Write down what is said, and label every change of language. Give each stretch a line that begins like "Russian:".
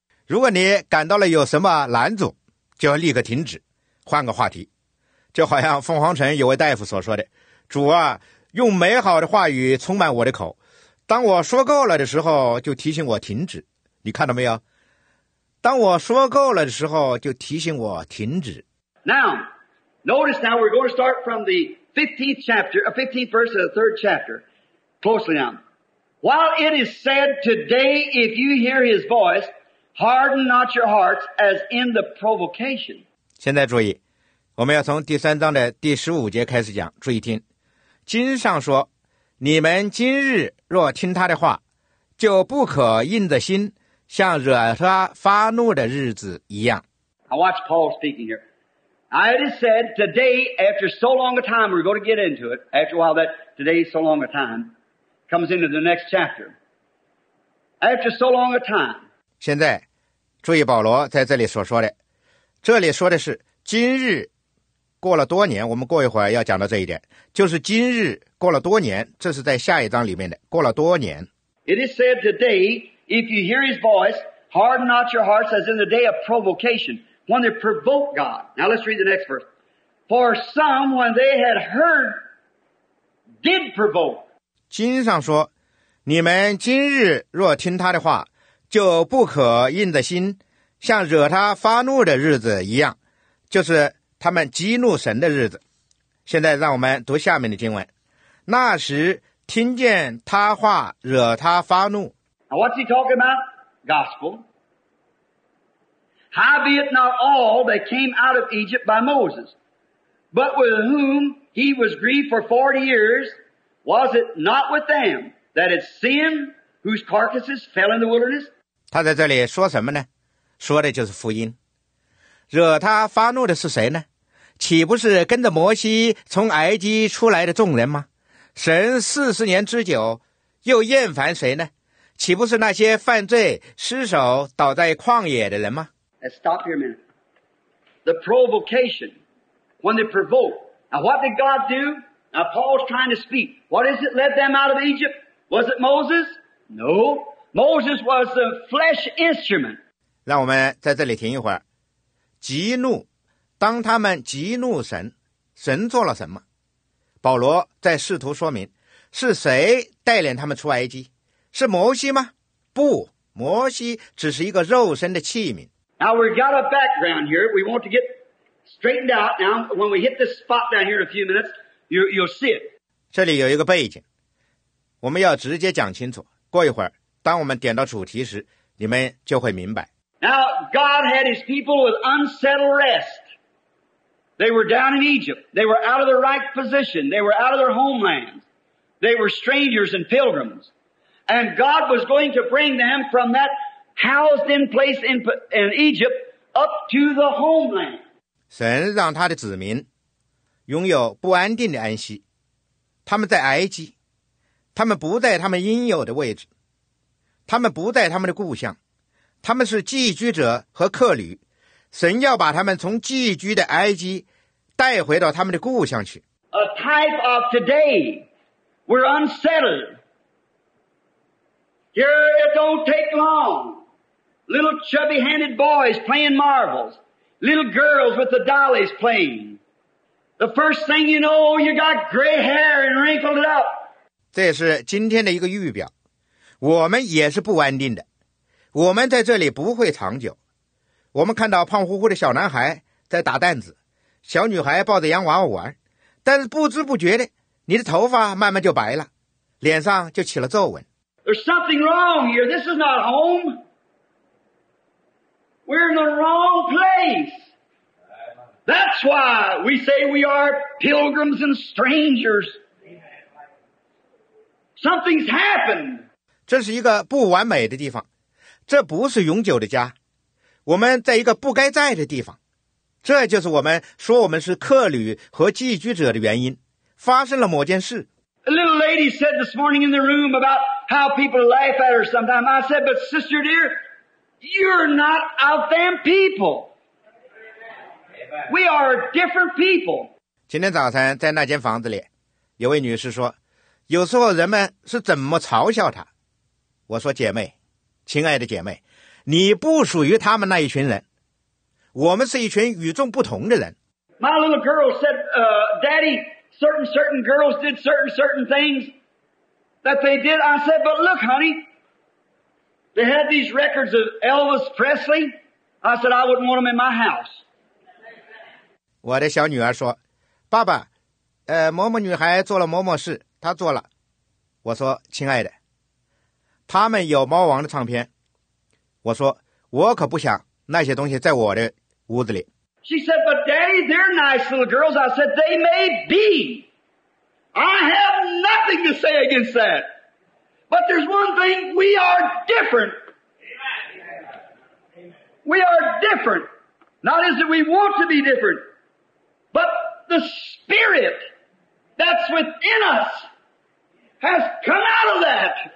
Chinese: 如果你感到了有什么拦阻，就要立刻停止，换个话题。就好像凤凰城有位大夫所说的，主啊，用美好的话语充满我的口，当我说够了的时候就提醒我停止。你看到没有？当我说够了的时候就提醒我停止。
English: Now notice, now we're going to start from the 15th chapter, 15th verse of the 3rd chapter closely now. While it is said today, if you hear his voice, harden not your hearts as in the provocation.
Chinese: 现在注意，我们要从第三章的第十五节开始讲，注意听。经上说，你们今日若听他的话，就不可硬着心，像惹他发怒的日子一样。
English: I watch Paul speaking here. It is said today, after so long a time, we're going to get into it. After a while, that today is so long a time comes into the next chapter. After so long a time.
Chinese: 现在，注意保罗在这里所说的，这里说的是今日。过了多年，我们过一会儿要讲到这一点，就是今日过了多年，这是在下一章里面的。过了多年
English: ，It is said today, if you hear his voice, harden not your hearts as in the day of provocation, when they provoke God. Now let's read the next verse. For some, when they had heard, did provoke.
Chinese: 经上说，你们今日若听他的话，就不可硬着心，像惹他发怒的日子一样，就是。他们激怒神的日子。现在让我们读下面的经文。那时听见他话惹他发怒。
English: Now what's he talking about? Gospel. Howbeit not all that came out of Egypt by Moses, but with whom he was grieved for 40 years, was it not with them that it's sin whose carcasses fell in the wilderness?
Chinese: 他在这里说什么呢？说的就是福音。惹他发怒的是谁呢？岂不是跟着摩西从埃及出来的众人吗？神40年之久又厌烦谁呢？岂不是那些犯罪失手倒在旷野的人吗？
English: Let's stop here a minute. The provocation, when they provoke. Now what did God do? Now Paul's trying to speak. What is it led them out of Egypt? Was it Moses? No. Moses was the flesh instrument.
Chinese: 让我们在这里停一会儿。激怒当他们激怒神，神做了什么？保罗在试图说明，是谁带领他们出埃及？是摩西吗？不，摩西只是一个肉身的器皿。
English: Now we've got a background here. We want to get straightened out. Now, when we hit this spot down here in a few minutes, you'll see it.
Chinese: 这里有一个背景，我们要直接讲清楚。过一会儿，当我们点到主题时，你们就会明白。
English: Now God had His people with unsettled rest. They were down in Egypt. They were out of their right position. They were out of their homeland. They were strangers and pilgrims. And God was going to bring them from that housed in place in Egypt up to the homeland.
Chinese: 神让他的子民拥有不安定的安息，他们在埃及，他们不在他们应有的位置，他们不在他们的故乡，他们是寄居者和客旅，神要把他们从寄居的埃及带回到他们的故乡去。
English: A type of today, we're unsettled. Here it don't take long. Little chubby-handed boys playing marbles. Little girls with the dollies playing. The first thing you know, you got gray hair and wrinkled it up.
Chinese: 这是今天的一个预表，我们也是不安定的。我们在这里不会长久。我们看到胖乎乎的小男孩在打弹子，小女孩抱着洋娃娃玩，但是不知不觉的，你的头发慢慢就白了，脸上就起了皱纹。
English: There's something wrong here. This is not home. We're in the wrong place. That's why we say we are pilgrims and strangers. Something's happened.
Chinese: 这是一个不完美的地方。这不是永久的家，我们在一个不该在的地方，这就是我们说我们是客旅和寄居者的原因。发生了某件事。
English: A little lady said this morning in the room about how people laugh at her sometimes. I said, "But sister dear, you're not of them people. We are different people."
Chinese: 今天早晨在那间房子里，有位女士说，有时候人们是怎么嘲笑她。我说，姐妹。亲爱的姐妹，你不属于他们那一群人，我们是一群与众不同的人。
English: My little girl said, Daddy, certain girls did certain things that they did. I said, but look, honey, they had these records of Elvis Presley. I said, I wouldn't want them in my house.
Chinese: 我的小女儿说，爸爸，某某女孩做了某某事，她做了。我说，亲爱的。他们有猫王的唱片，我说我可不想那些东西在我的屋子里。
English: She said, "But Daddy, they're nice little girls." I said, "They may be. I have nothing to say against that. But there's one thing: we are different. We are different. Not as that we want to be different, but the spirit that's within us has come out of that."